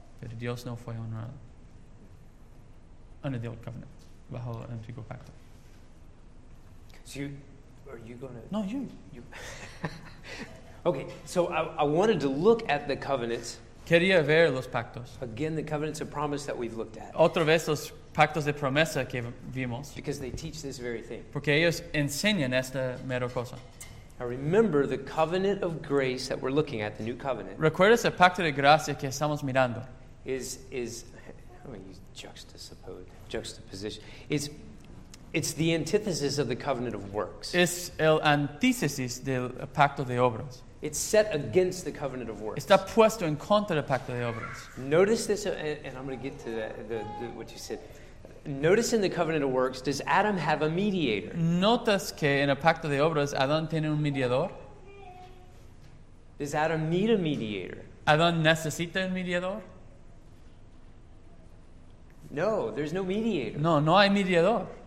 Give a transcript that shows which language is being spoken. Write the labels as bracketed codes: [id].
[es] Pero Dios no fue honrado. [en] Under the old covenant, [es] bajo el antiguo pacto. [en] So are you going to... No, you. Okay, so I wanted to look at the covenants. [es] Quería ver los pactos. [en] Again, the covenants of promise that we've looked at. [es] Otra vez los pactos de promesa que vimos. [en] Because they teach this very thing. [es] Porque ellos enseñan esta mera cosa. [en] Now remember the covenant of grace that we're looking at, the new covenant. [es] ¿Recuerdas el pacto de gracia que estamos mirando? [en] Is I'm going to use juxtaposition. It's the antithesis of the covenant of works. [es] Es el antítesis del pacto de obras. [en] It's set against the covenant of works. [es] Está puesto en contra del pacto de obras. [en] Notice this, and I'm going to get to the what you said. Notice in the covenant of works, does Adam have a mediator? [es] ¿Notas que en el pacto de obras Adán tiene un mediador? [en] Does Adam need a mediator? [es] ¿Adán necesita un mediador? [en] No, there's no mediator. [es] No hay mediador.